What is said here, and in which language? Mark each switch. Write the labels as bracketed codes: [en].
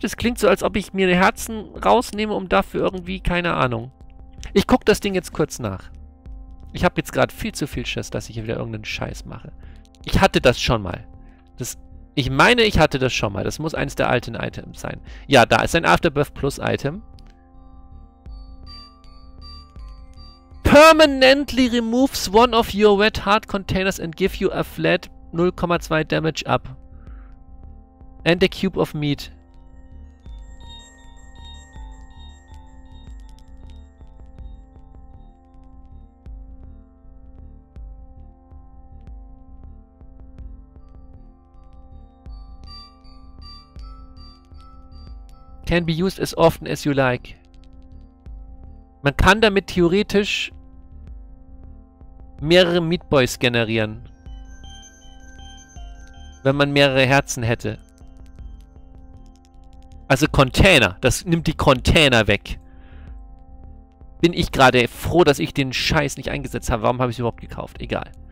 [de] Das klingt so, als ob ich mir Herzen rausnehme, um dafür irgendwie... Keine Ahnung. Ich gucke das Ding jetzt kurz nach. Ich habe jetzt gerade viel zu viel Schiss, dass ich hier wieder irgendeinen Scheiß mache. Ich hatte das schon mal. Ich meine, ich hatte das schon mal. Das muss eines der alten Items sein. Ja, da ist ein Afterbirth Plus Item. [en] Permanently removes one of your wet heart containers and give you a flat 0,2 damage up. And a cube of meat. Can be used as often as you like. [de] Man kann damit theoretisch mehrere Meat Boys generieren. Wenn man mehrere Herzen hätte. Also Container. Das nimmt die Container weg. Bin ich gerade froh, dass ich den Scheiß nicht eingesetzt habe. Warum habe ich es überhaupt gekauft? Egal.